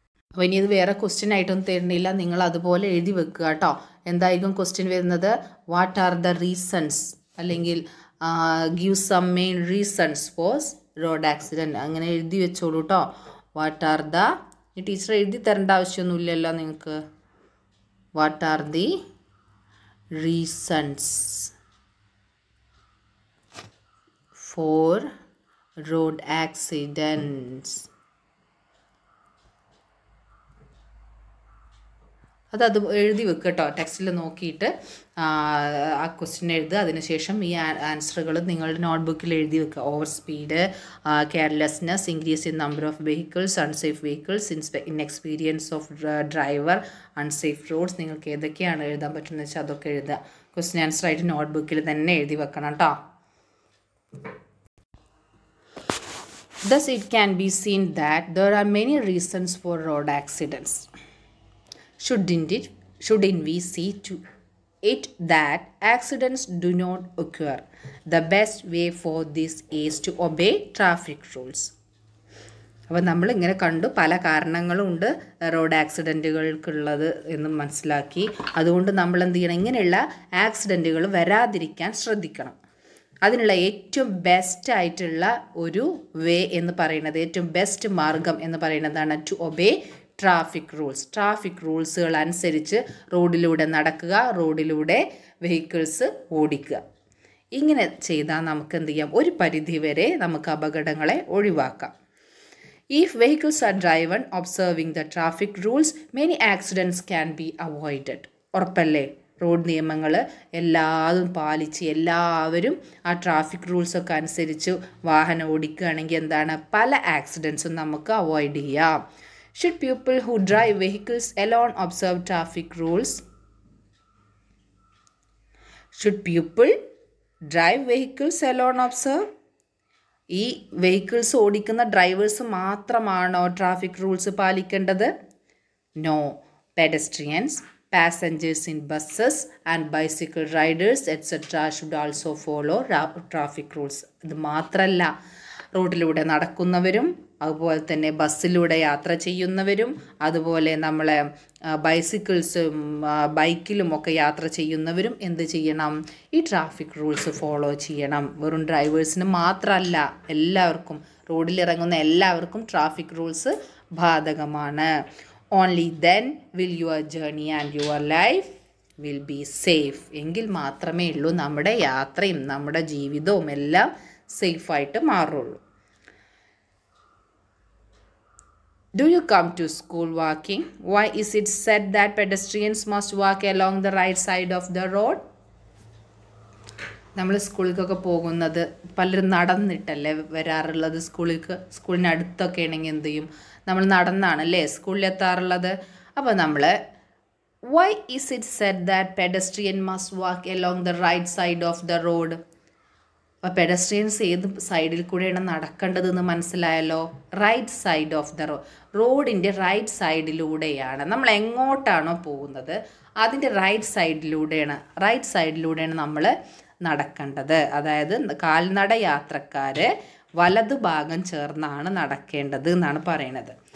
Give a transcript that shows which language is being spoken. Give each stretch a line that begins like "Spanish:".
Malayalam: അപ്പോൾ ഇനി ഇത് വേറെ ക്വസ്റ്റ്യൻ ആയിട്ടൊന്നും തരുന്നില്ല, നിങ്ങൾ അതുപോലെ എഴുതി വെക്കുക കേട്ടോ. എന്തായിരിക്കും ക്വസ്റ്റ്യൻ വരുന്നത്?
English: what are the reasons,
Malayalam: അല്ലെങ്കിൽ
English: give some main reasons for road accident,
Malayalam: അങ്ങനെ എഴുതി വെച്ചോളൂ കേട്ടോ.
English: what are the,
Malayalam: ഈ ടീച്ചർ എഴുതി തരേണ്ട ആവശ്യമൊന്നുമില്ലല്ലോ നിങ്ങൾക്ക്.
English: What are the reasons for road accidents.
Malayalam: അതത് എഴുതി വെക്ക് കേട്ടോ, ടെക്സ്റ്റിൽ നോക്കിയിട്ട് ആ ക്വസ്റ്റ്യൻ എഴുതുക. അതിനുശേഷം ഈ ആൻസറുകൾ നിങ്ങളുടെ നോട്ട്ബുക്കിൽ എഴുതി വെക്കുക.
English: over speed, carelessness, increase in number of vehicles, unsafe vehicles, inexperience of driver, unsafe roads,
Malayalam: നിങ്ങൾക്ക് ഏതൊക്കെയാണ് എഴുതാൻ പറ്റുന്നത് വെച്ചാൽ അതൊക്കെ എഴുതുക. ക്വസ്റ്റ്യൻ ആൻസർ ആയിട്ട് നോട്ട്ബുക്കിൽ തന്നെ എഴുതി വെക്കണം കേട്ടോ.
English: Thus, it can be seen that there are many reasons for road accidents. Shouldn't we see to it that accidents do not occur? The best way for this is to obey traffic rules.
Malayalam: അപ്പോൾ നമ്മളിങ്ങനെ കണ്ടു പല കാരണങ്ങളുമുണ്ട് road ആക്സിഡൻറ്റുകൾക്കുള്ളത് എന്ന് മനസ്സിലാക്കി. അതുകൊണ്ട് നമ്മൾ എന്ത് ചെയ്യണം, ഇങ്ങനെയുള്ള ആക്സിഡൻറ്റുകൾ വരാതിരിക്കാൻ ശ്രദ്ധിക്കണം. അതിനുള്ള ഏറ്റവും ബെസ്റ്റ് ആയിട്ടുള്ള ഒരു വേ എന്ന് പറയുന്നത്, ഏറ്റവും ബെസ്റ്റ് മാർഗം എന്ന് പറയുന്നതാണ്
English: To obey traffic rules.
Malayalam: Traffic റൂൾസുകൾ അനുസരിച്ച് റോഡിലൂടെ നടക്കുക, റോഡിലൂടെ വെഹിക്കിൾസ് ഓടിക്കുക. ഇങ്ങനെ ചെയ്താൽ നമുക്ക് എന്ത് ചെയ്യാം, ഒരു പരിധിവരെ നമുക്ക് അപകടങ്ങളെ ഒഴിവാക്കാം.
English: If vehicles are driven observing the traffic rules, many accidents can be avoided.
Malayalam: ഉറപ്പല്ലേ, റോഡ് നിയമങ്ങൾ എല്ലാതും പാലിച്ച് എല്ലാവരും ആ ട്രാഫിക് റൂൾസൊക്കെ അനുസരിച്ച് വാഹനം ഓടിക്കുകയാണെങ്കിൽ എന്താണ്, പല ആക്സിഡൻസും നമുക്ക് അവോയ്ഡ് ചെയ്യാം.
English: Should people who drive vehicles alone observe traffic rules? Should people drive vehicles alone observe?
Malayalam: ഈ വെഹിക്കിൾസ് ഓടിക്കുന്ന ഡ്രൈവേഴ്സ് മാത്രമാണോ ട്രാഫിക് റൂൾസ് പാലിക്കേണ്ടത്?
English: No, pedestrians, passengers in buses and bicycle riders etcetera should also follow traffic rules.
Malayalam: ഇത് മാത്രമല്ല, റോഡിലൂടെ നടക്കുന്നവരും അതുപോലെ തന്നെ ബസ്സിലൂടെ യാത്ര ചെയ്യുന്നവരും അതുപോലെ നമ്മളെ ബൈസിക്കിൾസും ബൈക്കിലും ഒക്കെ യാത്ര ചെയ്യുന്നവരും എന്ത് ചെയ്യണം, ഈ ട്രാഫിക് റൂൾസ് ഫോളോ ചെയ്യണം. വെറും ഡ്രൈവേഴ്സിന് മാത്രമല്ല, എല്ലാവർക്കും, റോഡിലിറങ്ങുന്ന എല്ലാവർക്കും ട്രാഫിക് റൂൾസ് ബാധകമാണ്.
English: Only then will your journey and your life will be safe.
Malayalam: എങ്കിൽ മാത്രമേ ഉള്ളൂ നമ്മുടെ യാത്രയും നമ്മുടെ ജീവിതവും എല്ലാം സേഫായിട്ട് മാറുള്ളൂ.
English: Do you come to school walking? Why is it said that pedestrians must walk along the right side of the road?
Malayalam: നമ്മൾ സ്കൂളിലേക്കൊക്കെ പോകുന്നത് പലരും നടന്നിട്ടല്ലേ വരാറുള്ളത്. സ്കൂളിലേക്ക് സ്കൂളിന് അടുത്തൊക്കെ ആണെങ്കിൽ എന്ത് ചെയ്യും, നമ്മൾ നടന്നാണ് അല്ലേ സ്കൂളിൽ എത്താറുള്ളത്. അപ്പോൾ നമ്മൾ
English: why is it said that pedestrian must walk along the right side of the road?
Malayalam: അപ്പോൾ പെഡസ്ട്രിയൻസ് ഏത് സൈഡിൽ കൂടെയാണ് നടക്കേണ്ടതെന്ന് മനസ്സിലായല്ലോ.
English: right side of the road,
Malayalam: റോഡിൻ്റെ റൈറ്റ് സൈഡിലൂടെയാണ് നമ്മൾ എങ്ങോട്ടാണോ പോകുന്നത് അതിൻ്റെ റൈറ്റ് സൈഡിലൂടെയാണ്, റൈറ്റ് സൈഡിലൂടെയാണ് നമ്മൾ നടക്കേണ്ടത്. അതായത് കാൽനട യാത്രക്കാർ വലതു ഭാഗം ചേർന്നാണ് നടക്കേണ്ടത് എന്നാണ് പറയണത്.